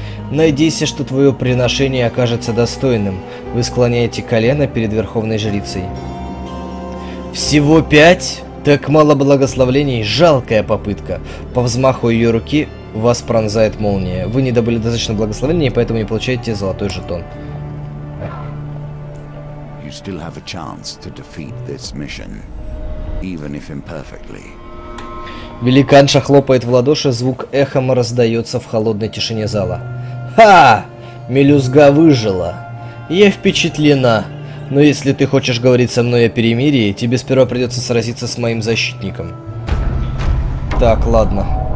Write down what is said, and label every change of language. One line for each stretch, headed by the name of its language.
Russian: Надейся, что твое приношение окажется достойным. Вы склоняете колено перед Верховной Жрицей. Всего 5? Так мало благословлений, жалкая попытка. По взмаху ее руки вас пронзает молния. Вы не добыли достаточно благословений, поэтому не получаете золотой жетон.
English: You still have a chance to defeat this mission, even if imperfectly.
Russian: Великанша хлопает в ладоши, звук эхом раздается в холодной тишине зала. Ха! Мелюзга выжила! Я впечатлена! Но если ты хочешь говорить со мной о перемирии, тебе сперва придется сразиться с моим защитником. Так, ладно.